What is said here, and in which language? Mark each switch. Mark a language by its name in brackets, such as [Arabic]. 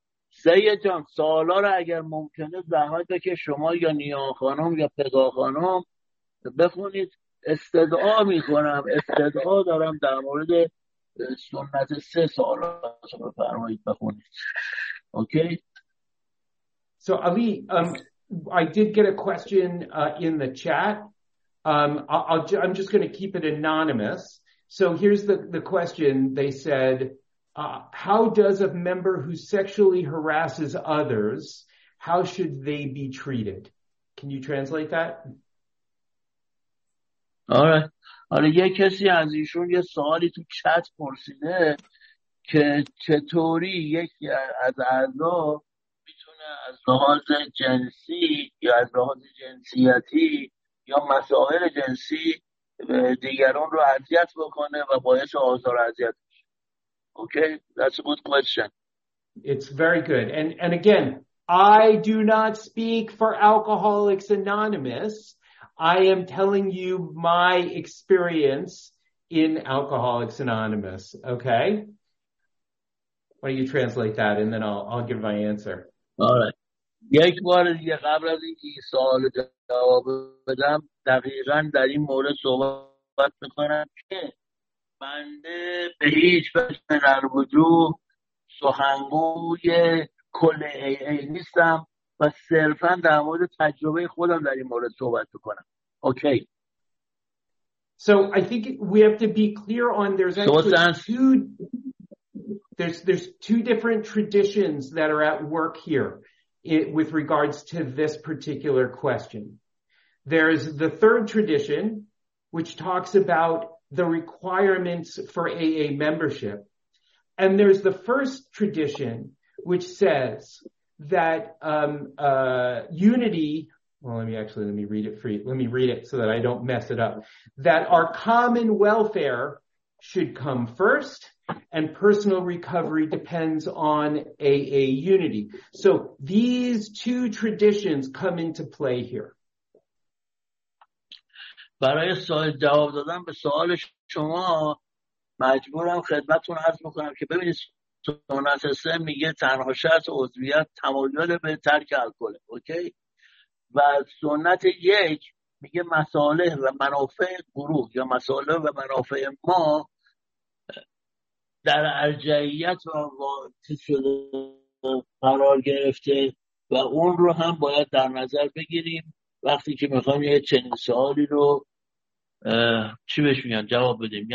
[Persian] سید جان سوالا رو اگر ممکنه زحمت که شما یا نیا خانم یا پگا خانم بخونید. استدعا می کنم، استدعا دارم در مورد سنت سه سوالات رو فرمایید بخونید. اوکی؟ [English] So Avi, I did get a question in the chat. I'm just going to keep it anonymous. So here's the question. They said, how does a member who sexually harasses others, how should they be treated? Can you translate that? All right. [Persian] حالا یه کسی از ایشون یه سوالی تو چت پرسیده که چطوری یکی از اعضا میتونه از لحاظ جنسی یا از لحاظ جنسیتی یا مسائل جنسی دیگران رو اذیت بکنه و باعث آزار اذیت بشه. [English] Okay, that's a good question. It's very good. And again, I do not speak for Alcoholics Anonymous. I am telling you my experience in Alcoholics Anonymous, okay? Why don't you translate that and then I'll give my answer. All right. [Persian] یک بار دیگه قبل از اینکه سوال جواب بدم دقیقاً در این مورد صحبت می‌کنم که بنده به هیچ وجه در وجود سخنگوی کل AA نیستم و صرفاً در مورد تجربه خودم در این مورد صحبت می‌کنم. [English] Okay. So I think we have to be clear on there's two different traditions that are at work here with regards to this particular question. There is the third tradition, which talks about the requirements for AA membership. And there's the first tradition, which says that unity. Well, let me read it so that I don't mess it up. That our common welfare should come first and personal recovery depends on AA unity. So these two traditions come into play here. [Persian] برای سوال جواب دادن به سوال شما مجبورم خدمتتون عرض میکنم که ببینید سنت سه میگه تنها شرط عضویت تمایل به ترک الکل. اوکی؟ و سنت یک میگه مصالح و منافع گروه یا مصالح و منافع ما در ارجحیت و واقع شده قرار گرفته و اون رو هم باید در نظر بگیریم وقتی که میخوام یه چنین سوالی رو چی بهش میگن جواب بدیم.